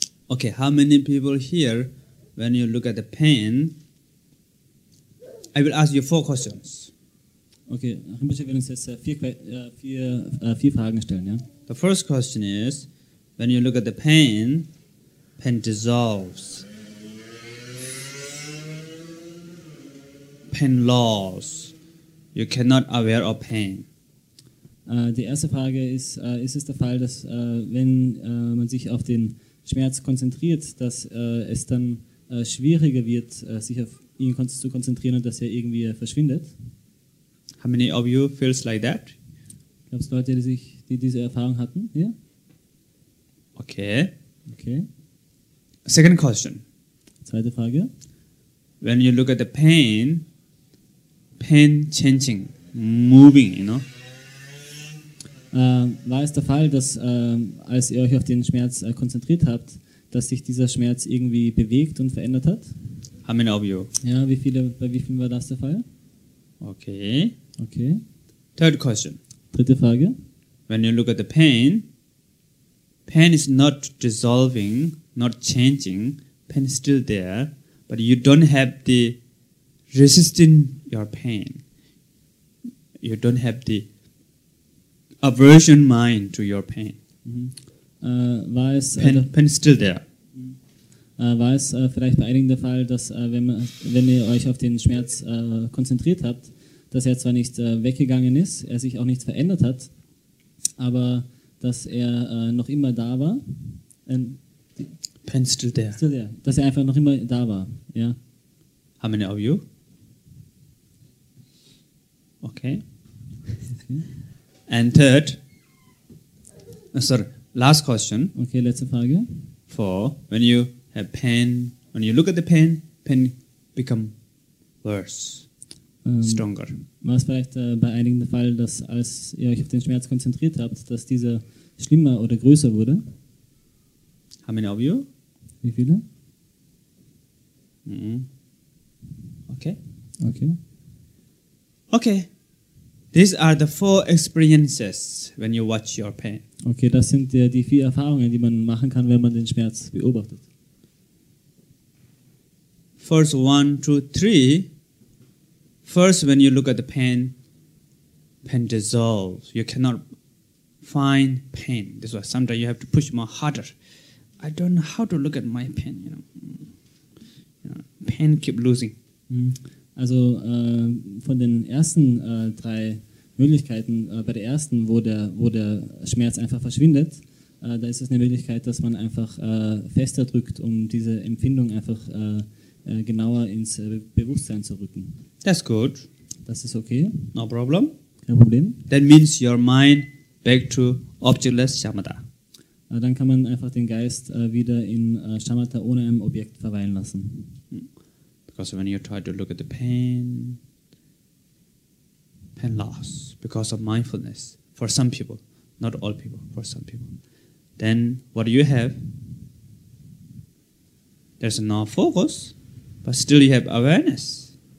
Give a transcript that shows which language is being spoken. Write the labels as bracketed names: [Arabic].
[English] Okay, how many people here, when you look at the pain, I will ask you 4 questions. [German] Okay, Rinpoche wird uns jetzt vier Fragen stellen, ja? [English] The first question is, when you look at the pain, pain dissolves. Pain loss. You cannot aware of pain. [German] Die erste Frage ist, ist es der Fall, dass wenn man sich auf den Schmerz konzentriert, dass es dann schwieriger wird, sich auf ihn zu konzentrieren und dass er irgendwie verschwindet? [English] How many of you feels like that? [German] Gab's Leute, die diese Erfahrung hatten? Yeah? Okay. Okay. [English] Second question. [German] Zweite Frage. [English] When you look at the pain, pain changing, moving, you know? [German] War es der Fall, dass als ihr euch auf den Schmerz konzentriert habt, dass sich dieser Schmerz irgendwie bewegt und verändert hat? [English] How many of you? [German] Ja, bei wie vielen war das der Fall? Okay. Okay. [English] Third question. [German] Dritte Frage. [English] When you look at the pain, pain is not dissolving, not changing, pain is still there, but you don't have the resisting your pain. You don't have the aversion mind to your pain. Mm-hmm. Pain is still there. [German] war es vielleicht bei einigen der Fall, dass wenn ihr euch auf den Schmerz konzentriert habt, dass er zwar nicht weggegangen ist, er sich auch nicht verändert hat, aber dass er noch immer da war. [English] Pen still there. Still there. [German] Dass er einfach noch immer da war. Ja. [English] How many of you? Okay. And third, sorry, last question. [German] Okay, letzte Frage. [English] For when you have pain, when you look at the pain, pain become worse, stronger. [German] War es vielleicht bei einigen der Fall, dass als ihr euch auf den Schmerz konzentriert habt, dass dieser schlimmer oder größer wurde? [English] How many of you? [German] Wie viele? Mm-hmm. Okay. Okay. Okay. [English] These are the four experiences when you watch your pain. [German] Okay, das sind die vier Erfahrungen, die man machen kann, wenn man den Schmerz beobachtet. [English] First one, two, three. First, when you look at the pain, pain dissolves. You cannot find pain. This is why sometimes you have to push more harder. I don't know how to look at my pain. You know, pain keep losing. [German] Also von den ersten drei Möglichkeiten, bei der ersten, wo der Schmerz einfach verschwindet, da ist es eine Möglichkeit, dass man einfach fester drückt, um diese Empfindung einfach genauer ins Bewusstsein zu rücken. [English] That's good. [German] Das ist okay. [English] No problem. [German] Kein Problem. [English] That means your mind back to objectless shamatha. [German] Dann kann man einfach den Geist wieder in Shamatha ohne einem Objekt verweilen lassen. [English] Because when you try to look at the pain loss because of mindfulness for some people, not all people, for some people, then what do you have? There's no focus, but still you have awareness.